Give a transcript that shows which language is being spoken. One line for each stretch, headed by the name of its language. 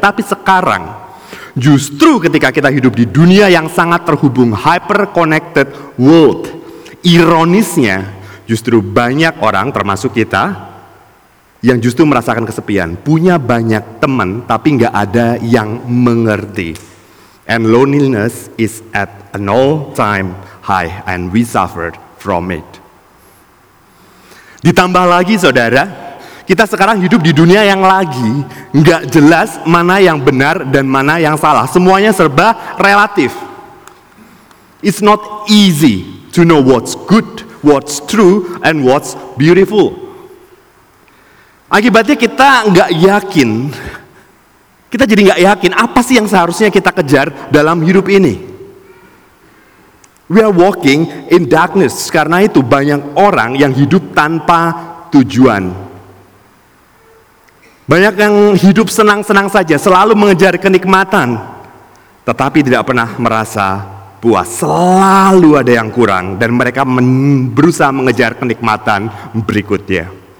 Indonesian: Tapi sekarang, justru ketika kita hidup di dunia yang sangat terhubung,
English: hyper-connected world,
Indonesian: ironisnya, justru banyak orang, termasuk kita, yang justru merasakan kesepian. Punya banyak teman, tapi enggak ada yang mengerti.
English: And loneliness is at an all-time high, and we suffered from it.
Indonesian: Ditambah lagi, saudara, kita sekarang hidup di dunia yang lagi nggak jelas mana yang benar dan mana yang salah. Semuanya serba relatif.
English: It's not easy to know what's good, what's true, and what's beautiful.
Indonesian: Akibatnya kita gak yakin, kita jadi gak yakin apa sih yang seharusnya kita kejar dalam hidup ini.
English: We are walking in darkness.
Indonesian: Karena itu banyak orang yang hidup tanpa tujuan. Banyak yang hidup senang-senang saja, selalu mengejar kenikmatan, tetapi tidak pernah merasa puas. Selalu ada yang kurang dan mereka berusaha mengejar kenikmatan berikutnya.